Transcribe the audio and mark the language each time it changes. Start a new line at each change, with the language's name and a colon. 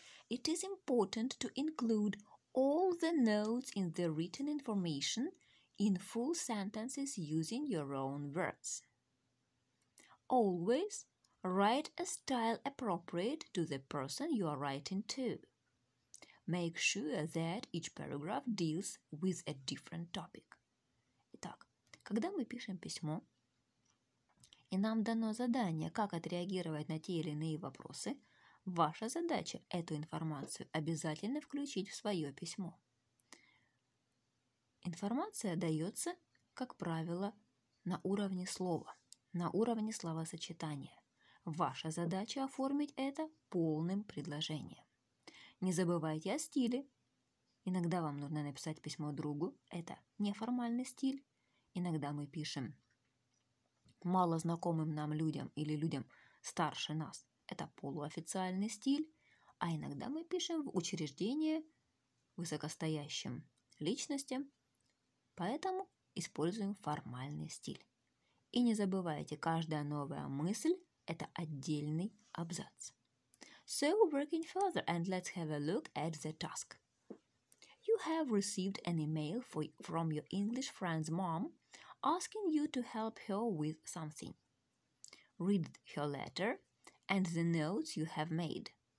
English: It is important to include all the notes in the written information in full sentences using your own words. Always write a style appropriate to the person you are writing to. Make sure that each paragraph deals with a different topic.
Russian: Итак, когда мы пишем письмо, и нам дано задание, как отреагировать на те или иные вопросы, ваша задача – эту информацию обязательно включить в свое письмо. Информация дается, как правило, на уровне слова, на уровне словосочетания. Ваша задача – оформить это полным предложением. Не забывайте о стиле. Иногда вам нужно написать письмо другу. Это неформальный стиль. Иногда мы пишем малознакомым нам людям или людям старше нас. Это полуофициальный стиль. А иногда мы пишем в учреждение высокостоящим личностям. Поэтому используем формальный стиль. И не забывайте, каждая новая мысль – это отдельный абзац.
English: So, working further, and let's have a look at the task. You have received an email from your English friend's mom asking you to help her with something. Read her letter and the notes you have made.